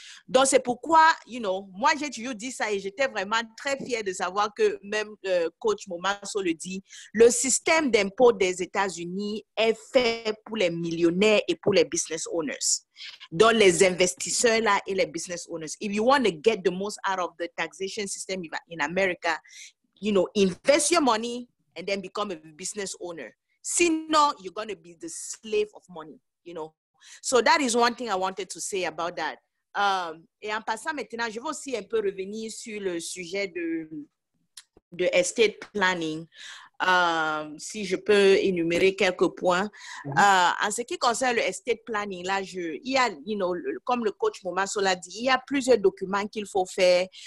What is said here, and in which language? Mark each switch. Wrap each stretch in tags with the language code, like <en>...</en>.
<fr>Donc, c'est pourquoi,</fr> <en>you know,</en> <fr>moi, j'ai toujours dit ça et j'étais vraiment très fière de savoir que même Coach Momasso le dit, le système d'impôts des États-Unis est fait pour les millionnaires et pour les business owners. Donc, les investisseurs là et les business owners.</fr> <en>If you want to get the most out of the taxation system in America, you know, invest your money and then become a business owner.</en> <fr>Sinon,</fr> <en>you're going to be the slave of money, you know. So that is one thing I wanted to say about that.</en> <fr>Et en passant maintenant, je veux aussi un peu revenir sur le sujet de estate planning. Si je peux énumérer quelques points. En ce qui concerne le estate planning, là, comme le coach Momasso l'a dit, il y a plusieurs documents qu'il faut faire.</fr>